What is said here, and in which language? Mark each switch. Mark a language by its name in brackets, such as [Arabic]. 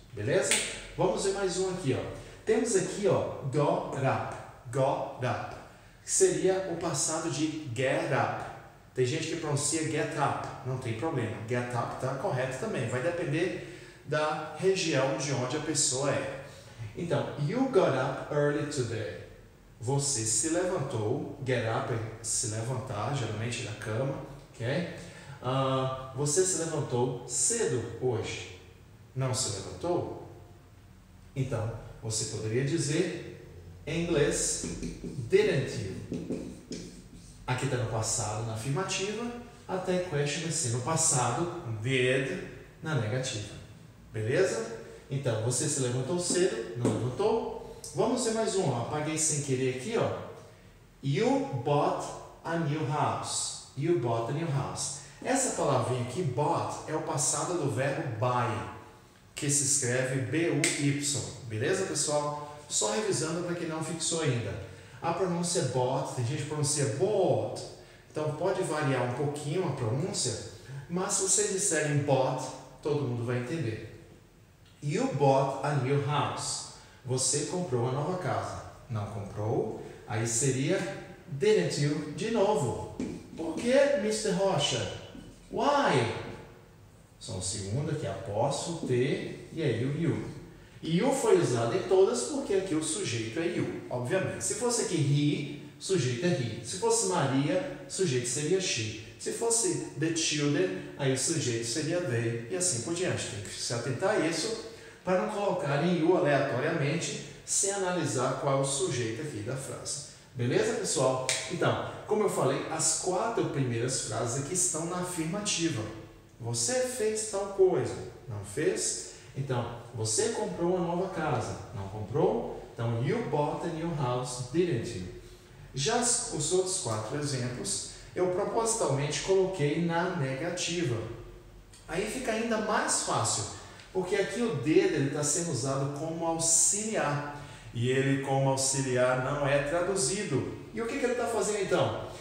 [Portuguese] Beleza? Vamos ver mais um aqui. Ó. Temos aqui ó, got up. Got up. Seria o passado de get up. Tem gente que pronuncia get up. Não tem problema. Get up está correto também. Vai depender da região de onde a pessoa é. [English] Então, you got up early today. [Portuguese] Você se levantou. Get up é se levantar, geralmente da cama. Ok? Você se levantou cedo hoje. Não se levantou? Então, você poderia dizer em inglês, [English] didn't you? [Portuguese] Aqui está no passado, na afirmativa. Até question vai ser no passado, did, na negativa. Beleza? Então, você se levantou cedo, não levantou. Vamos ver mais um. Apaguei sem querer aqui. Ó. [English] You bought a new house. You bought a new house. [Portuguese] Essa palavrinha aqui, bought, é o passado do verbo buy, que se escreve B-U-Y. Beleza, pessoal? Só revisando para quem não fixou ainda. A pronúncia bought, tem gente que pronuncia bought. Então, pode variar um pouquinho a pronúncia, mas se vocês disserem bought, todo mundo vai entender. [English] You bought a new house. [Portuguese] Você comprou uma nova casa. Não comprou? Aí seria [English] didn't you [Portuguese] de novo. Por que, Mr. Rocha? Why? Só um segundo aqui. Aposto, T e aí o you. You foi usado em todas porque aqui o sujeito é you, obviamente. Se fosse aqui he, sujeito é he. Se fosse Maria, sujeito seria she. Se fosse the children, aí o sujeito seria they e assim por diante. Tem que se atentar a isso para não colocar em you aleatoriamente sem analisar qual é o sujeito aqui da frase. Beleza, pessoal? Então, como eu falei, as quatro primeiras frases aqui estão na afirmativa. Você fez tal coisa? Não fez? Então, você comprou uma nova casa? Não comprou? [English] Então, you bought a new house, didn't you? [Portuguese] Já os outros quatro exemplos, eu propositalmente coloquei na negativa. Aí fica ainda mais fácil, porque aqui o did está sendo usado como auxiliar. E ele, como auxiliar, não é traduzido. E o que ele está fazendo, então?